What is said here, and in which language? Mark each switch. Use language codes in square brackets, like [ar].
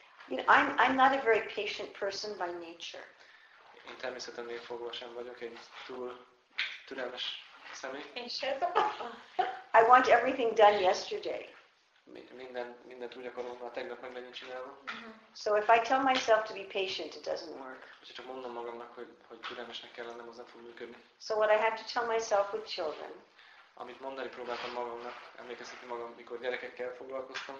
[en] You know, I'm not a very patient person by nature. [hu] Én természetem még fogva sem vagyok, egy túl türelmes személy. Én sem. [en] I want everything done yesterday. [hu] Mindent úgy akarom, ha tegnap meg legyen csinálva. [en] So if I tell myself to be patient, it doesn't work. [hu] Úgyhogy csak mondom magamnak, hogy türelmesnek kell lennem, az nem fog működni. [en] So what I have to tell myself with children. [hu] Amit mondani próbáltam magamnak, emlékeztetni magam, mikor gyerekekkel foglalkoztam.